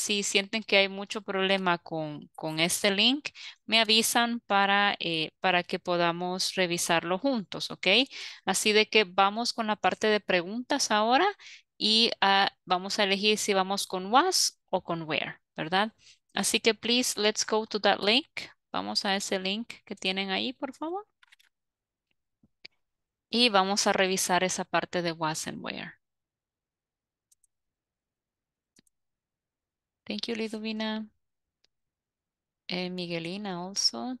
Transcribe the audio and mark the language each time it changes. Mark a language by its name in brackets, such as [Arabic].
[Spanish] Si sienten que hay mucho problema con este link, me avisan para que podamos revisarlo juntos, ¿ok? Así de que vamos con la parte de preguntas ahora y vamos a elegir si vamos con was o con where, ¿verdad? [English] Así que, please, let's go to that link. [Spanish] Vamos a ese link que tienen ahí, por favor. Y vamos a revisar esa parte de was and where. [English] Thank you, Liduvina. Miguelina also.